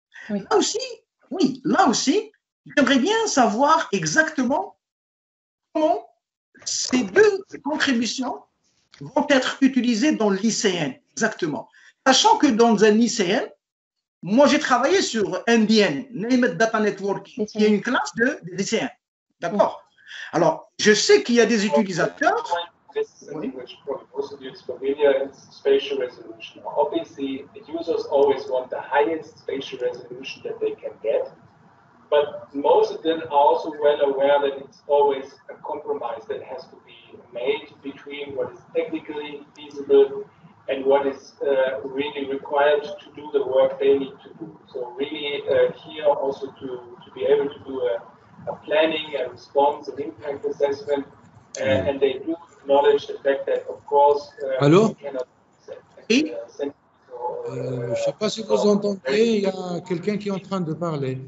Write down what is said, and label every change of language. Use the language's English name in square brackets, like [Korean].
[French] Oui. Là aussi, j'aimerais bien savoir exactement comment ces deux contributions vont être utilisées dans l'ICN, exactement. Sachant que dans un ICN, moi j'ai travaillé sur NDN, Named Data Network, qui est une classe de ICN. D'accord. Alors, je sais qu'il y a des utilisateurs. Oui. [English] Obviously, the users always want the highest spatial resolution that they can get. But most of them are also well aware that it's always a compromise that has to be made between what is technically feasible and what is really required to do the work they need to do. So really here also to be able to do a planning, a response, an impact assessment, and they do acknowledge the fact that, of course, Hello? We cannot [French] send je ne sais pas si vous entendez, il y a quelqu'un qui est en train de parler.